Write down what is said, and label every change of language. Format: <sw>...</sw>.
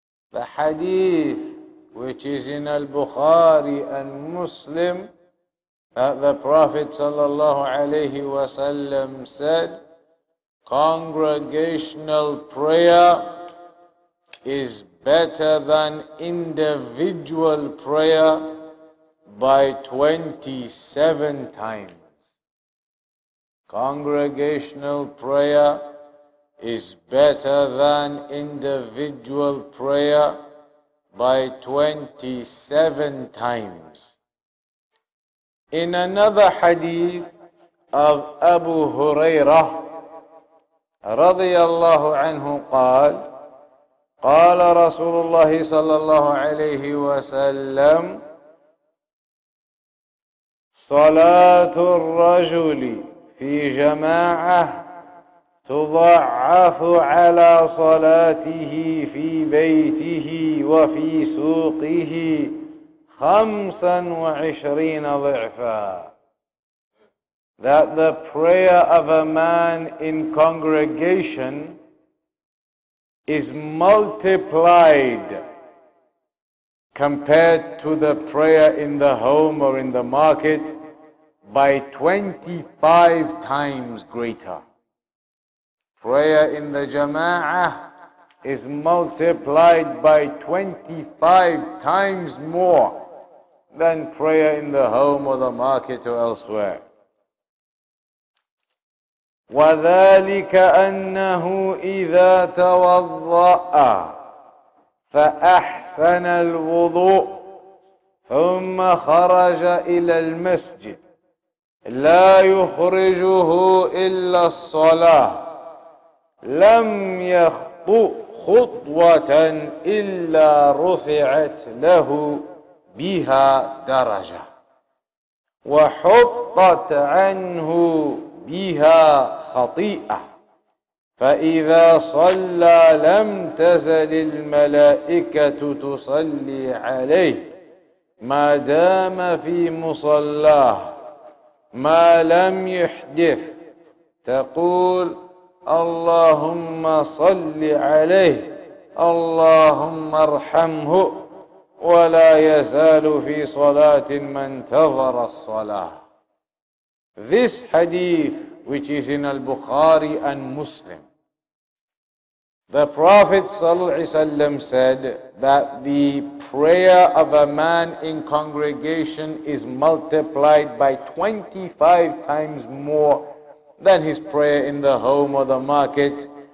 <en>The hadith which is in al-Bukhari and Muslim that the Prophet</en> <ar>صلى الله عليه وسلم</ar> <en>said, congregational prayer is better than individual prayer by 27 times. Congregational prayer is better than individual prayer by 27 times. In another hadith of Abu Hurairah,</en> <ar>رضي الله عنه قال قال رسول الله صلى الله عليه وسلم صلاة الرجل في جماعة تضعف على صلاته في بيته وفي سوقه 25 ضعفا.</ar> <en>That the prayer of a man in congregation is multiplied compared to the prayer in the home or in the market by 25 times greater. Prayer in the jama'ah is multiplied by 25 times more than prayer in the home or the market or elsewhere.</en> <ar>وذلك أنه إذا توضأ فأحسن الوضوء ثم خرج إلى المسجد لا يخرجه إلا الصلاة لم يخطئ خطوة إلا رفعت له بها درجة وحطت عنه بها خطيئة فإذا صلى لم تزل الملائكة تصلي عليه ما دام في مصلاه ما لم يحدث تقول اللهم صل عليه اللهم ارحمه ولا يزال في صلاة من انتظر الصلاة.</ar> <en>This hadith, which is in al-Bukhari and Muslim, the Prophet ﷺ said that the prayer of a man in congregation is multiplied by 25 times more than his prayer in the home or the market.</en>